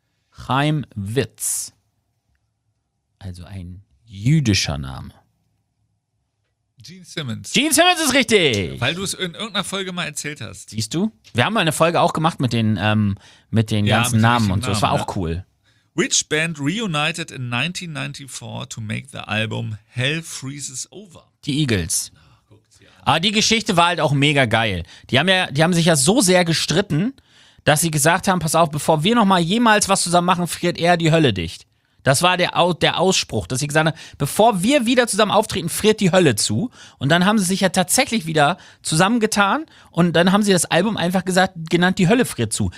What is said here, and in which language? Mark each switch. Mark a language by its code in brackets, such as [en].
[de] Chaim Witz. Also ein jüdischer Name. Gene Simmons. Gene Simmons ist richtig. Weil du es in irgendeiner Folge mal erzählt hast. Siehst du? Wir haben mal eine Folge auch gemacht mit den ganzen Namen und so. Das war auch cool. [en] Which band reunited in 1994 to make the album Hell Freezes Over? [de] Die Eagles. Aber die Geschichte war halt auch mega geil. Die haben sich ja so sehr gestritten, dass sie gesagt haben, pass auf, bevor wir nochmal jemals was zusammen machen, friert er die Hölle dicht. Das war der Ausspruch, dass sie gesagt haben, bevor wir wieder zusammen auftreten, friert die Hölle zu. Und dann haben sie sich ja tatsächlich wieder zusammengetan und dann haben sie das Album einfach gesagt, genannt, die Hölle friert zu.